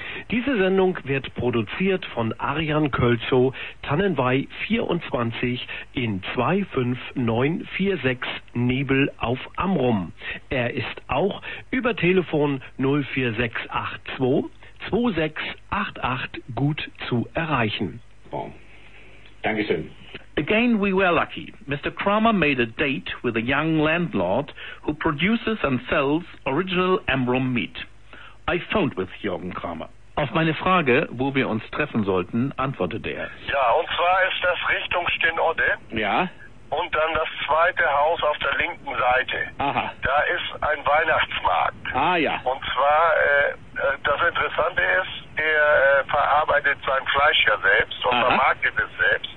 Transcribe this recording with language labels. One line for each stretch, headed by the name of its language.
German: Diese Sendung wird produziert von Arian Kölzow, Tannenwei 24 in 25946 Nebel auf Amrum. Er ist auch über Telefon 04682-2688 gut zu erreichen. Oh. Dankeschön.
English: Again we were lucky. Mr. Kramer made a date with a young landlord who produces and sells original Amrum meat. I phoned with Jürgen Kramer.
German: Auf meine Frage, wo wir uns treffen sollten, antwortete er. Ja, und zwar ist das Richtung Stenodde. Ja. und dann das zweite Haus auf der linken Seite. Aha. Da ist ein Weihnachtsmarkt. Ah ja. Und zwar, das Interessante ist, der verarbeitet sein Fleisch ja selbst und vermarktet es selbst.